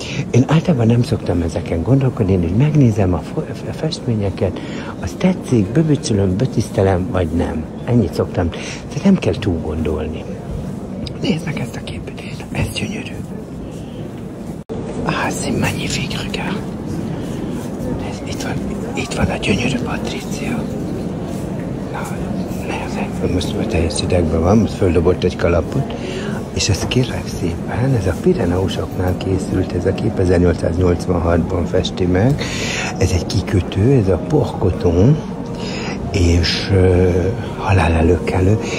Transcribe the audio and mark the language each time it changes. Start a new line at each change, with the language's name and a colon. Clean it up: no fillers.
Hungarian: Én általában nem szoktam ezeken gondolkodni, én így megnézem a festményeket, az tetszik, böbücsülöm, bötisztelem, vagy nem. Ennyit szoktam. Tehát nem kell túl gondolni. Nézd meg ezt a képet. Ez gyönyörű.
French: Ah, c'est magnifique, regard.
Hungarian: Itt van a gyönyörű Patricia. Na, nézd. Most a teljes idegben van, most földobott egy kalapot. És ezt kérlek szépen, ez a Pireneusoknál készült ez a kép, 1886-ban festi meg. Ez egy kikötő, ez a Porcoton, és halál előkelő.